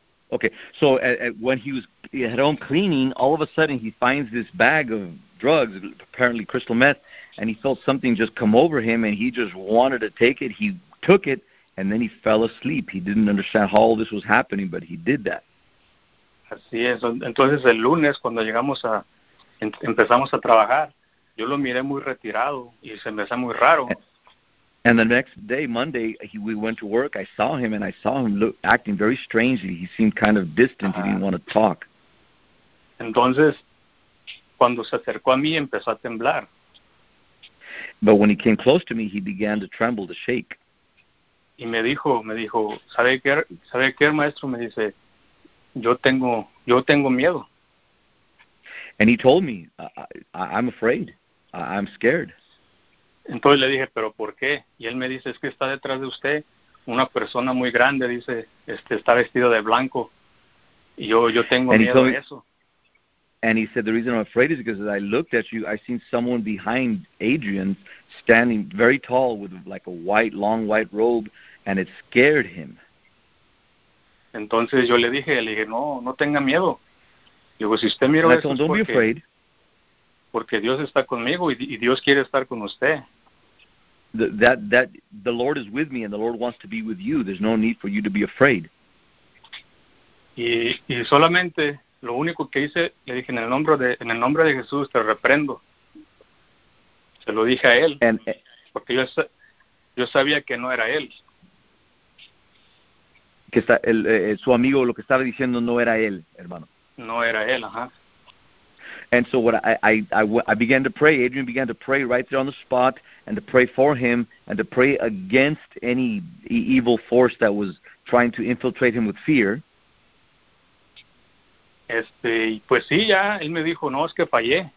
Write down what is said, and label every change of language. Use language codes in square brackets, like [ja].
[en] Okay, so when he was at home cleaning, all of a sudden he finds this bag of drugs, apparently crystal meth, and he felt something just come over him, and he just wanted to take it, he took it, And then he fell asleep. He didn't understand how all this was happening, but he did that. [es] Así es. Entonces el lunes cuando llegamos a empezamos a trabajar, yo lo miré muy retirado y se me hace muy raro. [en] And the next day, Monday, we went to work. I saw him, and I saw him look, acting very strangely. He seemed kind of distant. He didn't want to talk. [es] Entonces, cuando se acercó a mí, empezó a temblar. [en] But when he came close to me, he began to tremble, to shake. [es] Y me dijo, ¿sabe qué, maestro? Me dice, yo tengo miedo. [en] And he told me, I'm afraid. I'm scared. [es] Entonces le dije, ¿pero por qué? Y él me dice, es que está detrás de usted una persona muy grande, dice, está vestido de blanco. Y yo tengo [en] and [es] miedo [en] me, [es] a eso. [en] And he said, the reason I'm afraid is because as I looked at you, I seen someone behind Adrian standing very tall with like a white, long white robe, and it scared him. [es] Entonces yo le dije, no, no tenga miedo. Digo, si usted mira eso, [en] don't be afraid. [es] Porque Dios está conmigo y Dios quiere estar con usted. [en] That the Lord is with me and the Lord wants to be with you. There's no need for you to be afraid. [es] Y solamente lo único que hice, le dije, en el nombre de Jesús te reprendo. Se lo dije a él. [en] And, [es] porque yo sabía que no era él. Que está, su amigo lo que estaba diciendo no era él, hermano. No era él, ajá. [en] And so what I began to pray. Adrian began to pray right there on the spot, and to pray for him, and to pray against any evil force that was trying to infiltrate him with fear. [es] Pues sí, ya él me dijo, no, es que fallé.